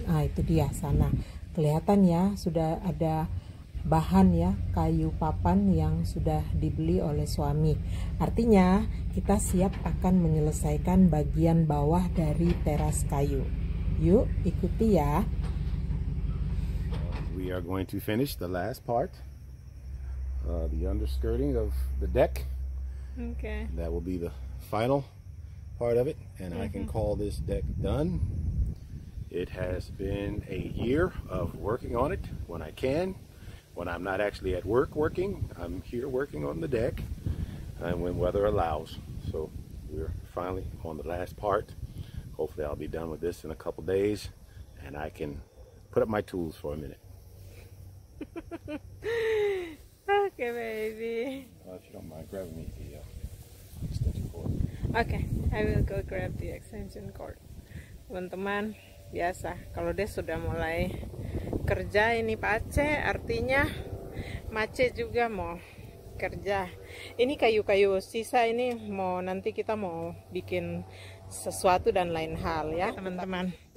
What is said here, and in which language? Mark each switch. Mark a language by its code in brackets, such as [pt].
[id] Ah, itu dia sana. Kelihatan ya, sudah ada bahan ya, kayu papan yang sudah dibeli oleh suami. Artinya, kita siap akan menyelesaikan bagian bawah dari teras kayu. Yuk, ikuti ya. [en] We are going to finish the last part, the underskirting of the deck. Okay. That will be the final part of it, and I can call this deck done. It has been a year of working on it when I can. When I'm not actually at work working, I'm here working on the deck, and when weather allows. So we're finally on the last part. Hopefully I'll be done with this in a couple days and I can put up my tools for a minute. Okay, baby. If you don't mind grabbing me the extension cord. Okay, I will go grab the extension cord. [id] Teman-teman, biasa kalau dia sudah mulai kerja ini Pak Aceh, artinya Mace juga mau kerja. Ini kayu-kayu sisa ini mau nanti kita mau bikin sesuatu dan lain hal ya teman-teman.